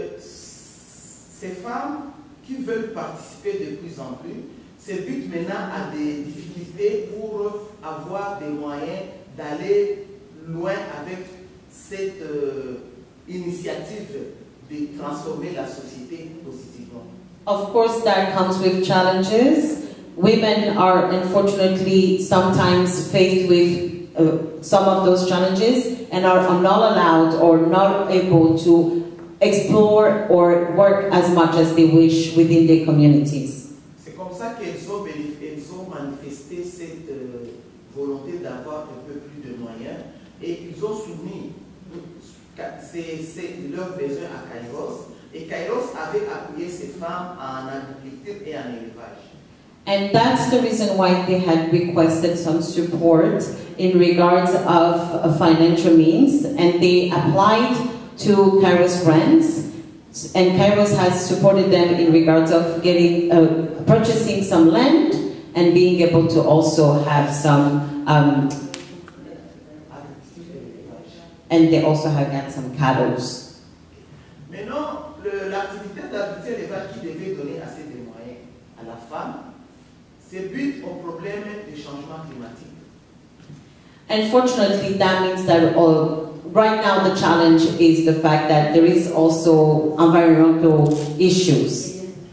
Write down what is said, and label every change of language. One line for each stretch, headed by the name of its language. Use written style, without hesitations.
French: Ces femmes qui veulent participer de plus en plus se butent maintenant à des difficultés pour avoir des moyens d'aller loin avec cette initiative de transformer la société positivement.
English: Of course, that comes with challenges. Women are unfortunately sometimes faced with some of those challenges and are not allowed or not able to explore or work as much as they wish within their communities.
French: C'est comme ça qu'elles ont manifesté cette volonté d'avoir un peu plus de moyens et ils ont soumis leurs besoins à KAIROS. Et KAIROS avait appuyé ces femmes en agriculture et en élevage.
English: And that's the reason why they had requested some support in regards of financial means, and they applied to KAIROS grants, and KAIROS has supported them in regards of getting purchasing some land and being able to also have some and they also have got some cattle.
French: L'activité d'habiter les vaches qui devait donner assez de moyens à la femme, se bute au problème des changements climatiques.
English: Unfortunately, that means that right now the challenge is the fact that there is also environmental issues.